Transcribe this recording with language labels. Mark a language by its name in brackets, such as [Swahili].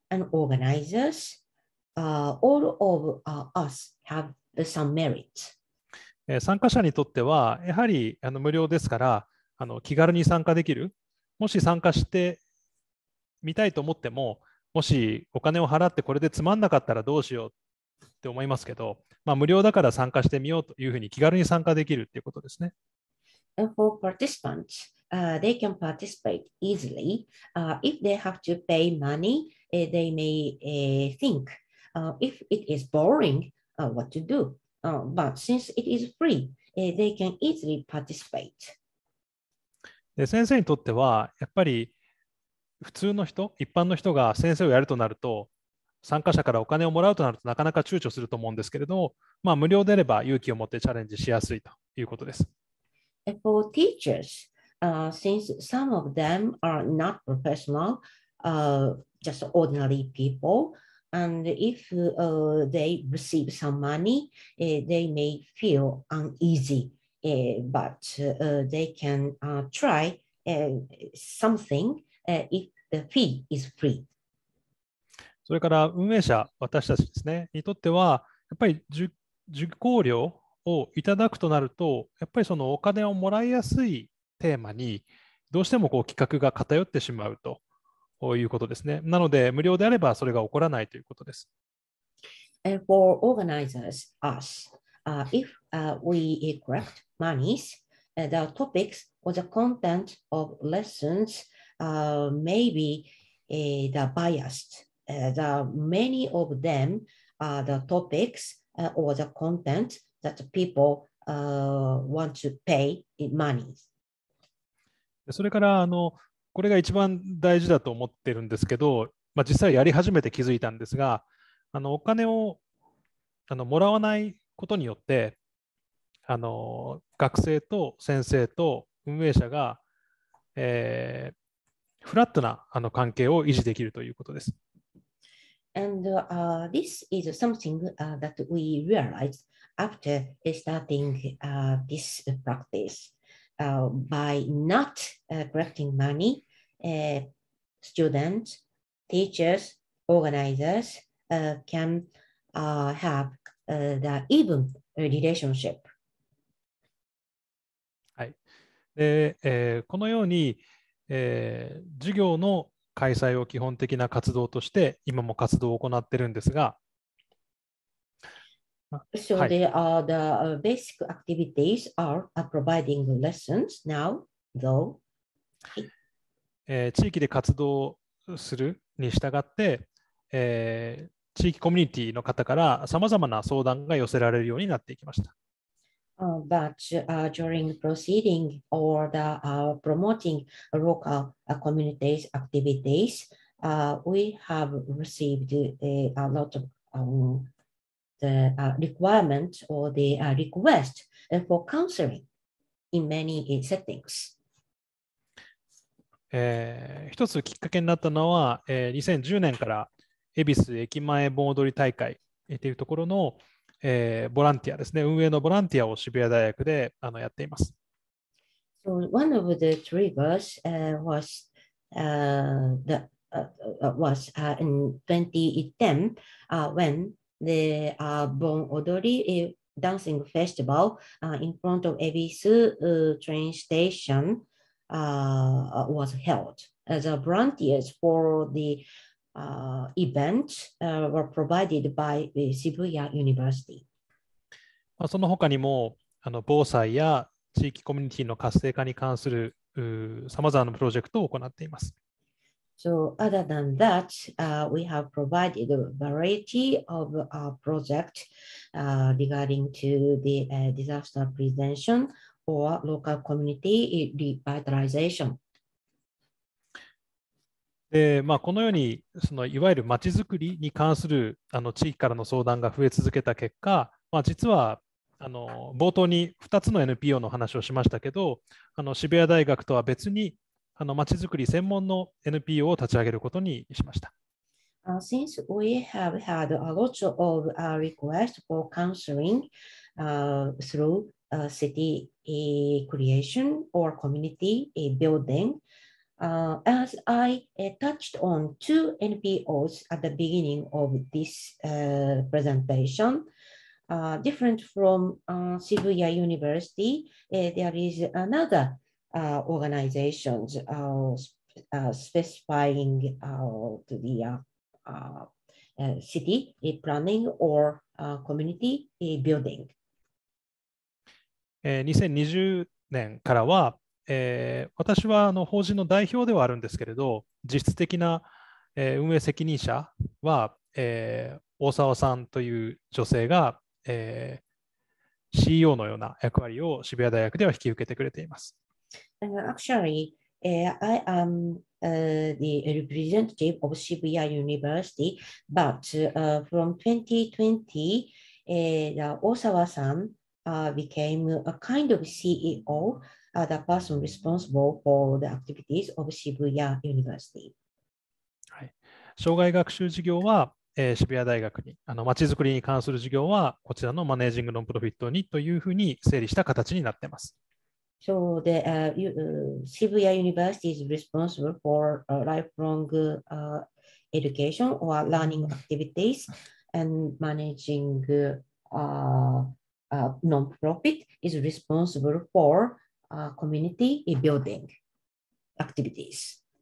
[English] and organizers、all of、us have some merits、 [Japanese] 参加者にとってはやはりあの無料ですから、あの気軽に参加できる、もし参加してみたいと思っても、もしお金を払ってこれでつまんなかったらどうしようって思いますけど、まあ、無料だから参加してみようというふうに気軽に参加できるっていうことですね。 [English] And for participants,、they can participate easily.、if they have to pay money,、they may、think、if it is boring,、what to do.、but since it is free,、they can easily participate. [Japanese] で、先生にとってはやっぱり普通の人、一般の人が先生をやるとなると、参加者からお金をもらうとなるとなかなか躊躇すると思うんですけれども、まあ、無料であれば勇気を持ってチャレンジしやすいということです。 [English] For teachers,、since some of them are not professional,、just ordinary people, and if、they receive some money,、they may feel uneasy,、but、they can、try、something、if the fee is free. [Japanese] それから運営者、私たちですね、にとっては、やっぱり受講料をいただくとなると、やっぱりそのお金をもらいやすいテーマに、どうしてもこう企画が偏ってしまうということですね。なので、無料であればそれが起こらないということです。 [English] And for organizers, us, if we collect monies, the topics or the content of lessons may be the biased. The many of them are the topics、or the content that the people、want to pay in money. [Japanese] それからあのこれが一番大事だと思ってるんですけど、まあ、実際やり始めて気づいたんですが、あのお金をあのもらわないことによって、あの学生と先生と運営者が、フラットなあの関係を維持できるということです。 [English] And、this is something、that we realized after starting、this practice.、by not、collecting money,、students, teachers, organizers、can、have、the even relationship.、 [Japanese] はい、で、このように、授業の開催を基本的な活動として今も活動を行っているんですが、 [English] So、 [Japanese] はい、 [English] they are the basic activities are providing lessons now, though.、 [Japanese] はい、地域で活動するに従って、地域コミュニティの方からさまざまな相談が寄せられるようになっていきました。 [English] But、during proceeding or the、promoting local、communities activities,、we have received a lot of、the、requirements or the、requests for counseling in many settings.、 [Japanese] 一つきっかけになったのは、2010年から恵比寿駅前盆踊り大会というところのボランティアですね、運営のボランティアを渋谷大学であのやっています。 [English] So one of the triggers was the was in 2010 when the Bon Odori dancing festival in front of Ebisu train station was held. As a volunteers for theevent were provided by Shibuya University. [Japanese] その他にもあの防災や地域コミュニティの活性化に関するさまざまなプロジェクトを行っています。 [English] So other than that, we have provided a variety of our projects regarding to the disaster prevention or local community revitalization. [Japanese] でまあ、このようにそのいわゆる町づくりに関するあの地域からの相談が増え続けた結果、まあ、実はあの冒頭に2つの NPO の話をしましたけど、あの渋谷大学とは別にあの町づくり専門の NPO を立ち上げることにしました。 [English] Since we have had a lot of requests for counseling through city creation or community building, As I touched on two NPOs at the beginning of this presentation, different from Shibuya University, there is another organization specifying to the city planning or community building. [Japanese] 2020年からは、私はあの法人の代表ではあるんですけれど、実質的な、運営責任者は、大沢さんという女性が、CEO のような役割を渋谷大学では引き受けてくれています。 [English] Actually, I am the representative of Shibuya University, but from 2020, 大沢さん became a kind of CEO, the person responsible for the activities of Shibuya University. [Japanese] 生涯学習事業は、渋谷大学に、あの、街づくりに関する事業はこちらのマネージングノンプロフィットにというふうに整理した形になっています。 [English] So the Shibuya University is responsible for lifelong education or learning activities and managing non-profit is responsible for community building activities.、